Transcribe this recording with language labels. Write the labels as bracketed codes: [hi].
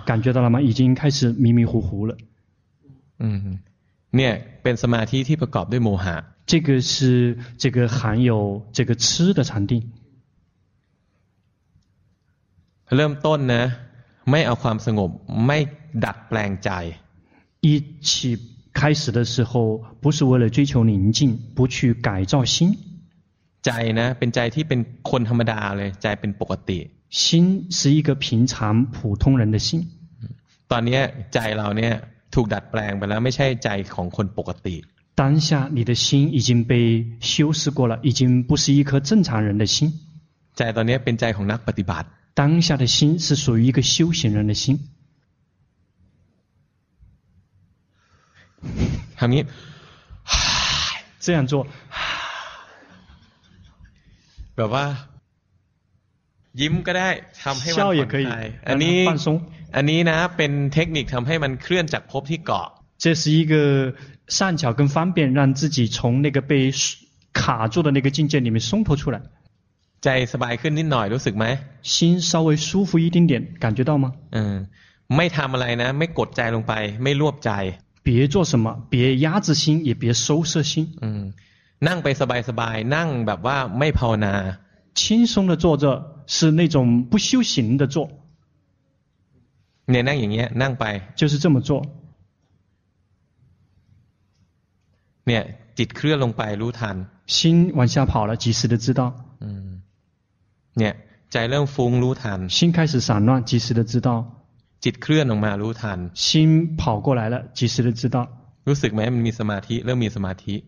[zh] 感觉到了吗已经开始迷迷糊糊了 [th] เนี่ยเป็นสมาธิที่ประกอบด้วยโมหะ [zh] 这个是这个含有这个痴的禅定 [th] เริ่มต้นนะไม่เอาความสงบไม่ดัดแปลงใจ [zh] 一起开始的时候不是为了追求宁静不去改造心 [th] ใจนะเป็นใจที่เป็นคนธรรมดาเลยใจเป็นปกติ [zh] 心是一个平常普通人的心。 [th] ตอนนี้ใจเราเนี่ยถูกดัดแปลงไปแล้วไม่ใช่ใจของคนปกติ [zh] 当下你的心已经被修饰过了，已经不是一颗正常人的心。 [th] ใจตอนนี้เป็นใจของนักปฏิบัติ [zh] 当下的心是属于一个修行人的心。 [th] ทำงี้ [zh] 这样做 [th] แบบว่ายิ้มก็ได้ทำให้มันผ่อนคลาย อันนี้ อันนี้นะเป็นเทคนิคทำให้มันเคลื่อนจากภพที่เกาะ [zh] 这是一个善巧跟方便让自己从那个被卡住的那个境界里面松脱出来 [th] ใจสบายขึ้นนิดหน่อยรู้สึกไหม [zh] 心稍微舒服一丁点感觉到吗 [th] ไม่ทำอะไรนะไม่กดใจลงไปไม่รวบใจ [zh] 别做什么别压制心也别收摄心 [th] นั่งไปสบายๆนั่งแบบว่าไม่ภาวนา [zh] 轻松的坐着是那种不修行的坐 [th] เนี่ยนั่งอย่างเงี้ยนั่งไป [zh] 就是这么做 [th] เนี่ยจิตเคลื่อนลงไปรู้ทัน [zh] 心往下跑了及时的知道 [th] เนี่ยใจเริ่มฟุ้งรู้ทัน [zh] 心开始散乱及时的知道 [th] จิตเคลื่อนลงมารู้ทัน [zh] 心跑过来了及时的知道 [th] รู้สึกไหมมันมีสมาธิเริ่มมีสมาธิ